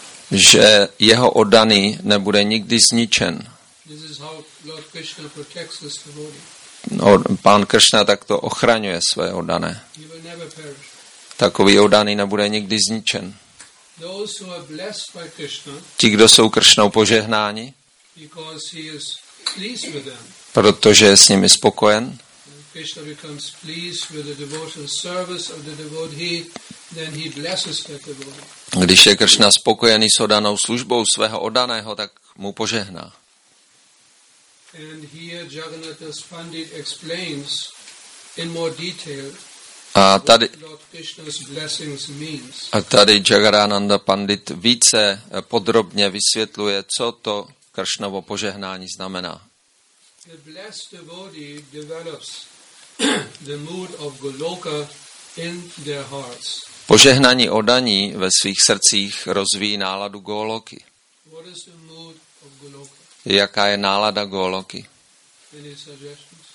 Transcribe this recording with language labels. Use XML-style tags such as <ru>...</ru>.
<cs>Že jeho oddaný nebude nikdy zničen.</cs> <en>This is how Lord Krishna protects his devotee.</en> <cs>No, pán Kršna takto ochraňuje své oddané.</cs> <en>He will never perish.</en> <cs>Takový oddaný nebude nikdy zničen.</cs> <en>Those who are blessed by Krishna,</en> <cs>ti, kdo jsou Kršnou požehnáni,</cs> <en>because he is pleased with them.</en> <cs>Protože je s nimi spokojen.</cs> <en>Krishna becomes pleased with the devotion service of the devotee, then he blesses that devotee.</en> <cs>Když je Kršna spokojený s oddanou službou svého oddaného, tak mu požehná.</cs> <en>And here Jagannatha's pandit explains in more detail.</en> <cs>A tady, Jagannatha pandit více podrobně vysvětluje, co to Kršnovo požehnání znamená.</cs> <en>The blessed devotee develops the mood of Goloka in their hearts.</en> <cs>Požehnání oddaní ve svých srdcích rozvíjí náladu Goloky.</cs> <en>What is the mood of Goloka?</en> <cs>Jaká je nálada Goloky?</cs> <en>Any suggestions?</en>